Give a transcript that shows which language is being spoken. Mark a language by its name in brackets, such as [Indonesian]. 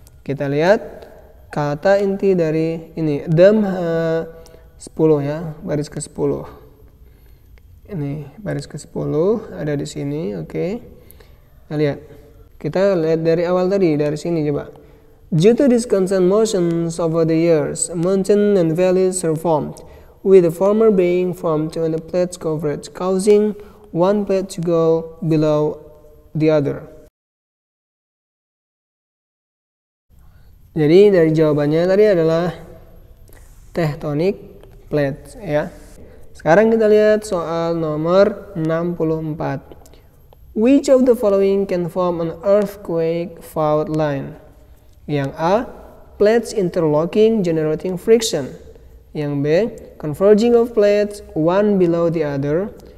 [Indonesian] Kita lihat kata inti dari ini, them 10 ya, baris ke-10. Ini baris ke-10 ada di sini, oke. Kita lihat. Kita lihat dari awal tadi, dari sini coba. [English] Due to these constant motions over the years, mountain and valleys are formed, with the former being formed when the plates coverage, causing one plate to go below the other. [Indonesian] Jadi dari jawabannya tadi adalah tectonic plates ya. Sekarang kita lihat soal nomor 64. [English] Which of the following can form an earthquake fault line? [Indonesian] Yang A, [English] plates interlocking generating friction. [Indonesian] Yang B, [English] converging of plates one below the other.